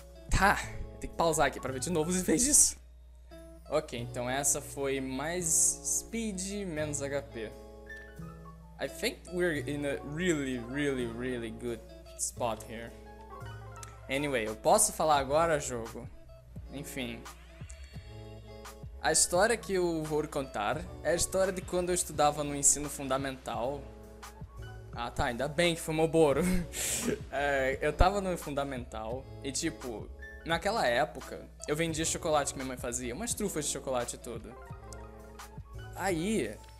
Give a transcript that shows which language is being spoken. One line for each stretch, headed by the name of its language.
Portuguese: Tá, tem que pausar aqui pra ver de novo os efeitos disso. Ok, então essa foi mais speed, menos HP.
English: I think we're in a really, really, really good spot here.
Portuguese: Anyway, eu posso falar agora, jogo? Enfim. A história que eu vou contar é a história de quando eu estudava no ensino fundamental. Ah tá, ainda bem que foi Moboro. Eu tava no fundamental e tipo, naquela época, eu vendia chocolate que minha mãe fazia, umas trufas de chocolate tudo. Aí...